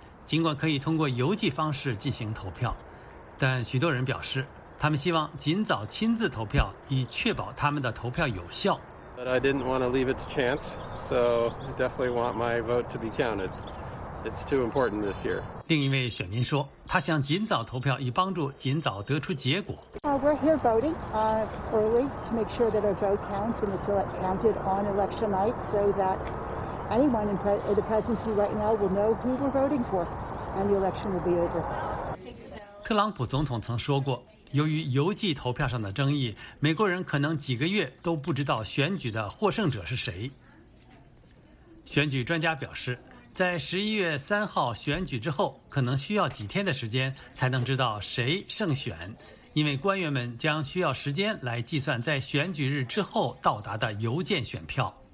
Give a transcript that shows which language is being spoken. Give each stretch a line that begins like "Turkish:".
Chinese: 尽管可以通过邮寄方式进行投票，但许多人表示他们希望尽早亲自投票，以确保他们的投票有效。
English: But I didn't want to leave it to chance, so I definitely want my vote to be counted. It's too important this year.
Chinese: 另一位选民说，他想尽早投票，以帮助尽早得出结果。
English: We're here voting early to make sure that our vote counts and it's counted on election night, so that anyone in the presidency right now will know who we're voting for, and the election will be over.
Chinese: 特朗普总统曾说过。由于邮寄投票上的争议，美国人可能几个月都不知道选举的获胜者是谁。选举专家表示，在11月3号选举之后，可能需要几天的时间才能知道谁胜选，因为官员们将需要时间来计算在选举日之后到达的邮件选票。